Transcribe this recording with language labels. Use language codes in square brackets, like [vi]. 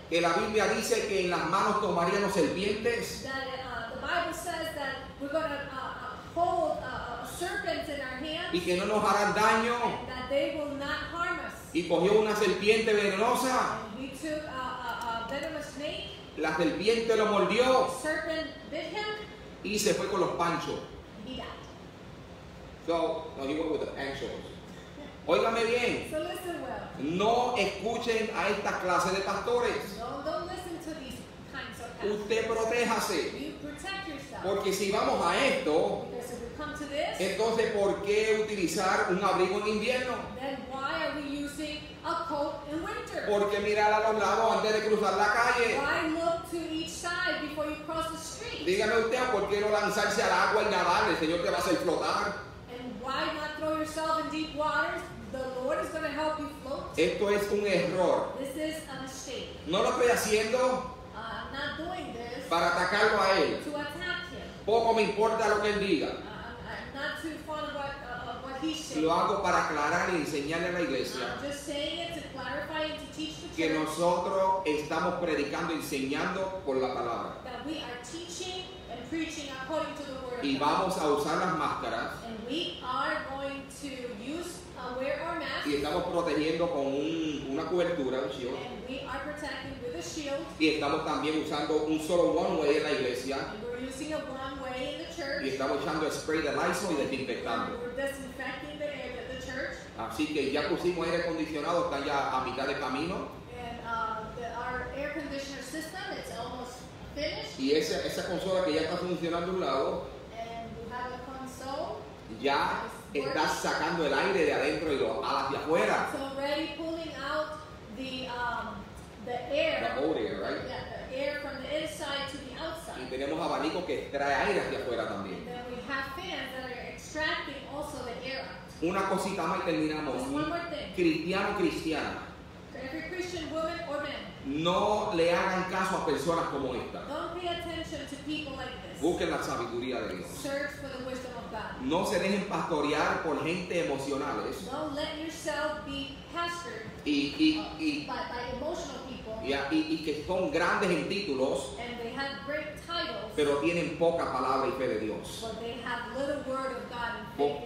[es] Que la Biblia dice que en las manos tomarían los serpientes. [en] That the Bible says that we're going to hold serpents in our hands. [es] Y que no nos harán daño. [en] That they will not harm us. [es] Y cogió una serpiente venenosa. [en] And he took a venomous snake. [es] la serpiente lo mordió. [en] Serpent bit him. [es] Y se fue con los panchos. [en] Yeah. So, no, he went with the panchos. [es] Óigame bien. [en] So listen well. [es] No escuchen a esta clase de pastores. [en] No, don't listen to these kinds of pastors. [es] Usted protéjase. [en] You protect yourself. [es] Porque si vamos a esto, [en] because if we come to this, [es] entonces ¿por qué utilizar un abrigo en invierno? [en] Then why are we using a coat in winter? [es] ¿Por qué mirar a los lados antes de cruzar la calle? [en] Why look to each side before you cross the street? [es] Dígame usted, ¿por qué no lanzarse al agua y nadar? El Señor te va a hacer flotar. [en] And why not throw yourself in deep waters? The Lord is going to help you float. [es] Esto es un error. [en] This is a mistake. [es] No lo estoy haciendo [en] not doing this [es] para atacarlo a él. [en] To attack him. [es] Poco me importa lo que él diga. [en] Not too fond of what he's saying. [es] Lo hago para aclarar y enseñarle a la iglesia. [en] I'm just saying it to clarify and to teach the church. [es] Que nosotros estamos predicando, enseñando por la palabra. [en] That we are teaching and preaching according to the word. [es] Y vamos a usar las máscaras. [en] And we are going to use wear our masks. [es] Y estamos protegiendo con una cobertura, un shield. [en] And we are protecting with a shield. [es] Y estamos también usando un solo [en] one way [es] en la iglesia. [en] And we're using a one way in the church. [es] Y estamos echando spray de Lysol y desinfectando. [en] We're disinfecting the air of the church. [es] Así que ya pusimos aire acondicionado, está ya a mitad de camino. [en] Our air conditioner system is almost finished. [es] Y esa consola que ya está funcionando a un lado. [en] And we have a console. [es] Ya está sacando el aire de adentro y lo hacia afuera. [en] It's already pulling out the air. The old air, right? Yeah, the air from the inside to the outside. [es] Y tenemos abanico que trae aire hacia afuera también. [en] And then we have fans that are extracting also the air out. [es] Una cosita más y terminamos. [en] Just one more thing. [es] Cristiano, cristiana. [en] Every Christian woman or man. [es] No le hagan caso a personas como esta. [en] Don't pay attention to people like this. [es] Busquen la sabiduría de Dios. [en] Search for the wisdom of God. [es] No se dejen pastorear por gente emocionales. [en] Don't let yourself be pastored by emotional people. [es] Yeah, y que son grandes en títulos. [en] And they have great titles. [es] Pero tienen poca palabra y fe de Dios. [en] But they have little word of God and faith.